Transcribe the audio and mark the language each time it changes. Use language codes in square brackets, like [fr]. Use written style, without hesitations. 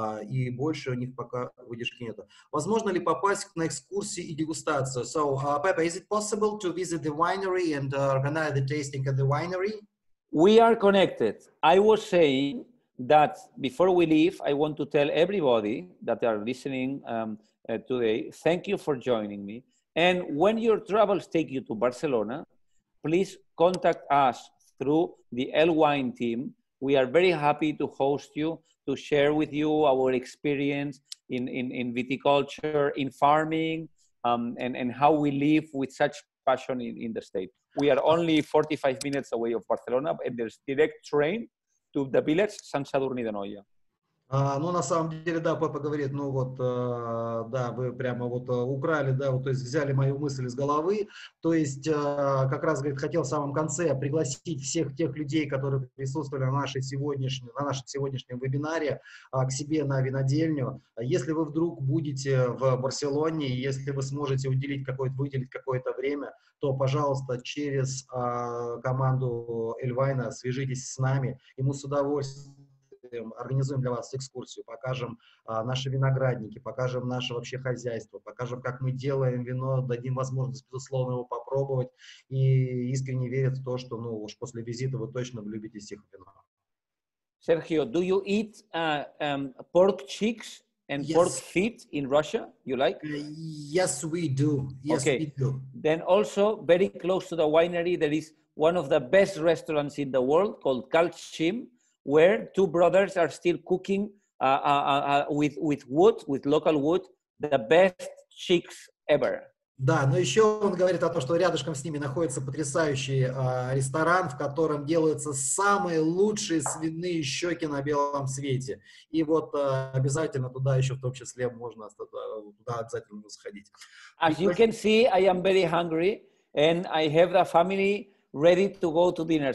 [ru] И больше у них пока выдержки нет. Возможно ли попасть на экскурсии и дегустацию? [en] So, Pepe, is it possible to visit the winery and organize the tasting at the winery? We are connected. I was saying that before we leave, I want to tell everybody that are listening today, thank you for joining me. And when your travels take you to Barcelona, please contact us through the L Wine team. We are very happy to host you, to share with you our experience in viticulture, in farming, and how we live with such passion in the state. We are only 45 minutes away of Barcelona, and there's direct train to the village Sant Sadurní d'Anoia. [ru] Ну, на самом деле, да, папа говорит, ну вот, да, вы прямо вот украли, да, вот, то есть взяли мою мысль из головы, то есть, как раз, говорит, хотел в самом конце пригласить всех тех людей, которые присутствовали на нашем сегодняшнем вебинаре, к себе на винодельню. Если вы вдруг будете в Барселоне, если вы сможете выделить какое-то время, то, пожалуйста, через команду Эльвайна свяжитесь с нами, и мы с удовольствием организуем для вас экскурсию, покажем наши виноградники, покажем наше вообще хозяйство, покажем, как мы делаем вино, дадим возможность, безусловно, его попробовать, и искренне верят в то, что, ну, уж после визита вы точно влюбитесь в их вино. [en] Sergio, do you eat pork cheeks and yes. pork feet in Russia? You like? Yes, we do. Yes, okay. we do. Then also, very close to the winery, there is one of the best restaurants in the world called Kalchim, where two brothers are still cooking with wood, with local wood, the best chicks ever. [ru] Да, но еще он говорит о том, что рядышком с ними находится потрясающий ресторан, в котором делаются самые лучшие свиные щеки на белом свете. И вот обязательно туда еще в том числе можно туда обязательно сходить. [en] As you can see, I am very hungry and I have the family ready to go to dinner.